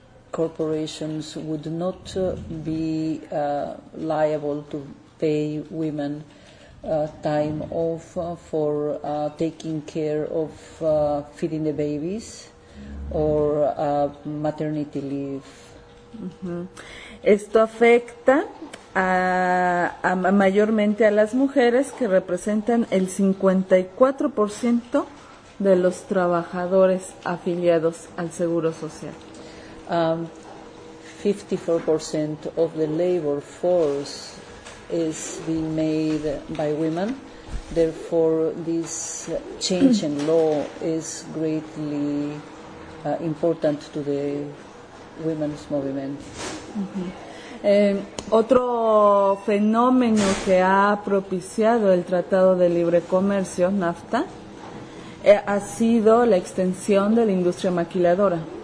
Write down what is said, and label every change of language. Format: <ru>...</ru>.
<en>These corporations would not be liable to pay women time off for taking care of feeding the babies or maternity leave. Uh-huh.</en> <es>Esto afecta a mayormente a las mujeres, que representan el 54% de los trabajadores afiliados al Seguro Social.</es> <en>54% of the labor force is being made by women. Therefore, this change in law is greatly important to the women's movement. Uh-huh.</en> <es>Otro fenómeno que ha propiciado el Tratado de Libre Comercio, NAFTA, ha sido la extensión de la industria maquiladora.</es>